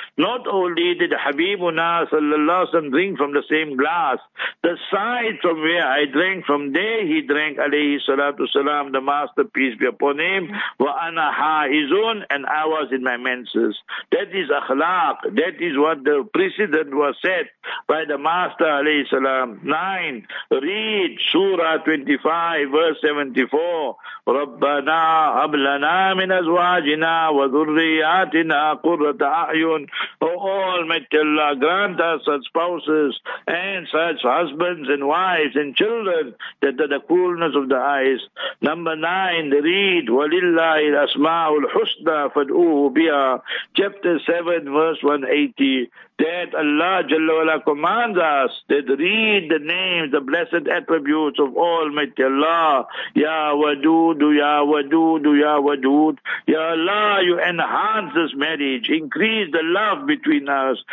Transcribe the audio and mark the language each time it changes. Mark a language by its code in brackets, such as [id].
[en] Not only did Habibuna sallallahu alaihi wasallam drink from the same glass, the side from where I drank, from there he drank, alayhi salatu salam, the masterpiece be upon him, [ar] wa ana haizun, [en] and I was in my menses. That is akhlaq. That is what the precedent was set by the master, alayhi salam. 9. Read Surah 25, verse 74. [ar] Rabbah هب لنا من أزواجنا وذرياتنا قرة أعين. [en] Oh, Almighty Allah, grant us such spouses and such husbands and wives and children that are the coolness of the eyes. Number 9, read [ar] وَلِلَّهِ الْأَسْمَاءُ الْحُسْنَى فَدْعُوهُ بِهَا. [en] Chapter 7, verse 180. That Allah Jalla Wala commands us that read the names, the blessed attributes of Almighty Allah. [ar] Ya Wadud, Ya Wadud, Ya Wadud. [en] Ya Allah, you enhance this marriage, increase the love between us.